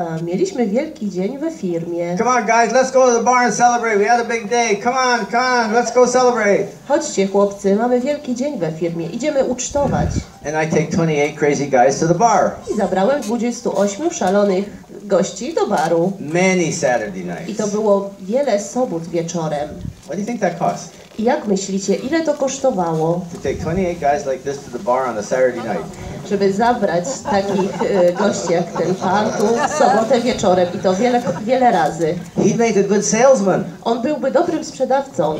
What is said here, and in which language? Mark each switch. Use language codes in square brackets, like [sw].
[pl] Mieliśmy wielki dzień we firmie. [en] Come on guys, let's go to the bar and celebrate. We had a big day. Come on, let's go celebrate. [pl] Chodźcie chłopcy, mamy wielki dzień we firmie. Idziemy ucztować. [en] And I take 28 crazy guys to the bar. [pl] I zabrałem 28 szalonych gości do baru. [en] Many Saturday nights. [pl] I to było wiele sobót wieczorem. [en] What do you think that cost? [pl] I jak myślicie, ile to kosztowało? [en] To take 28 guys like this to the bar on a Saturday night. [pl] Żeby zabrać takich gości jak ten pan tu w sobotę wieczorem i to wiele, wiele razy. [en] He made a good salesman. [pl] On byłby dobrym sprzedawcą.